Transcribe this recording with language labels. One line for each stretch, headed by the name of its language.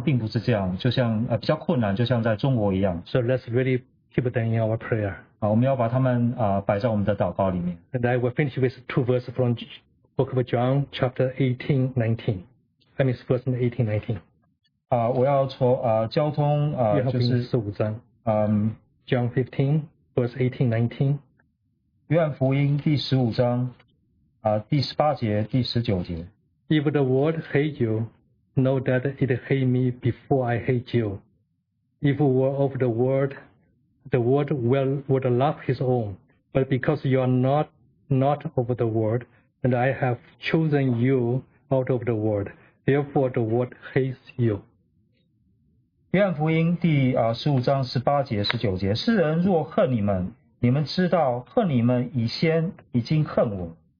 Chinese: 常常我们思想到有很多地方并不是这样，就像比较困难，就像在中国一样。
English: So let's really keep them in our prayer.
Chinese: 我们要把他们摆在我们的祷告里面。
English: And I will finish with two verses from the book of John, chapter 18:19. That means verse 18:19.
Chinese: 我要从交通就是15章。
English: John 15, verse 18:19.
Chinese: 约翰福音第15章第18节、第19节。
English: If the world hates you, know that it hates me before I hate you. If you were of the world would love his own. But because you are not of the world, and I have chosen you out of the world, therefore the world hates you.
Chinese: 约翰福音第15章18节、19节。世人若恨你们，你们知道恨你们已先已经恨我。